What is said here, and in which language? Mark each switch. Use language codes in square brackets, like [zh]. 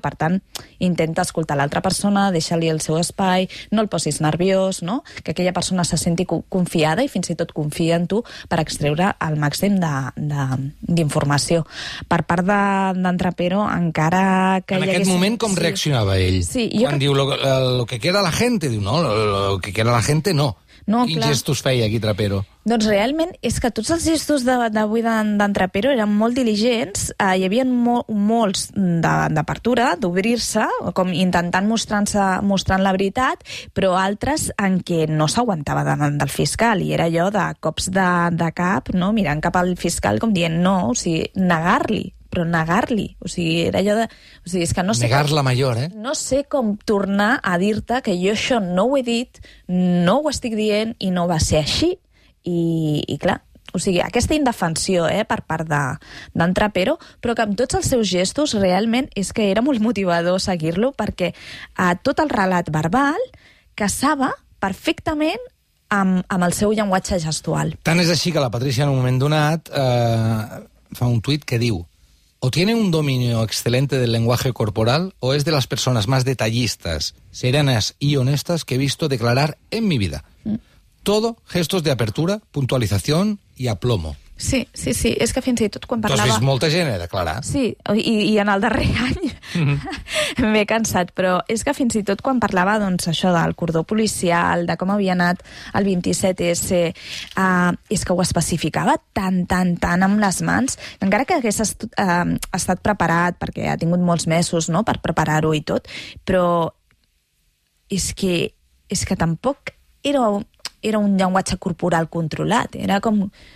[ca] Per tant, intenta escoltar l'altra persona, deixa-li el seu espai, no el posis nerviós, no? Que aquella persona se senti confiada i fins i tot confia en tu per extreure el màxim d'informació. Per part d'en Trapero, encara que... En aquest moment, com reaccionava ell? Sí, quan diu, [es] lo que quiera la gente, [ca] diu, [es] no, lo que quiera la gente, no. [ca] No, quins gestos feia aquí Trapero? Doncs realment és que tots els gestos d'avui d'en Trapero eren molt diligents, hi havia molts d'apertura, d'obrir-se, com intentant mostrant la veritat, però altres en què no s'aguantava del fiscal, i era allò de cops de cap, no? Mirant cap al fiscal com dient no, o sigui, negar-li. Però negar-li, o sigui, era allò de... O sigui, és que no sé negar la major, eh? No sé com tornar a dir-te que jo això no ho he dit, no ho estic dient i no va ser així. I clar, o sigui, aquesta indefensió per part d'en Trapero, però que amb tots els seus gestos realment és que era molt motivador seguir-lo, perquè a tot el relat verbal casava perfectament amb el seu llenguatge gestual. Tant és així que la Patrícia en un moment donat fa un tuit que diu... [es] O tiene un dominio excelente del lenguaje corporal o es de las personas más detallistas, serenas y honestas que he visto declarar en mi vida. Todo gestos de apertura, puntualización y aplomo. [ca] Sí, sí, sí, és que fins i tot quan parlava... T'has vist molta gent, he declarat. Sí, i en el darrer any m'he cansat, però és que fins i tot quan parlava, doncs, això del cordó policial, de com havia anat el 27S, és que ho especificava tant amb les mans, encara que hagués estat preparat, perquè ha tingut molts mesos, no?, per preparar-ho i tot, però és que tampoc era un llenguatge corporal controlat, era com...